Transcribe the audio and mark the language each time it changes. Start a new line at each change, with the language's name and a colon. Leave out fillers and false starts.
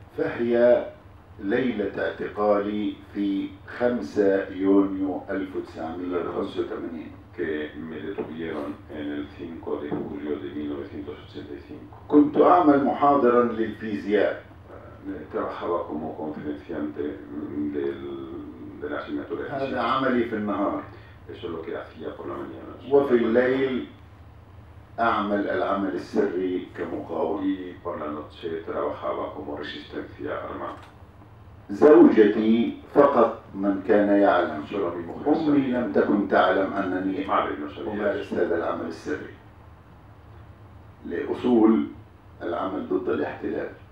Arabic: فهي ليلة اعتقالي في 5 يونيو 1985.
Spanish: Que me detuvieron en el 5 de julio de 1985.
Arabic: كنت أعمل محاضرا للفيزياء.
Spanish: Trabajaba como conferenciante de la asignatura.
Arabic: هذا عملي في النهار.
Spanish: Eso es lo que hacía por la mañana.
Arabic: وفي الليل أعمل العمل السري كمقاوم.
Spanish: Y por la noche trabajaba como resistencia armada.
Arabic: زوجتي فقط من كان يعلم، أمي لم تكن تعلم أنني أمارس هذا العمل السري لأصول العمل ضد الاحتلال.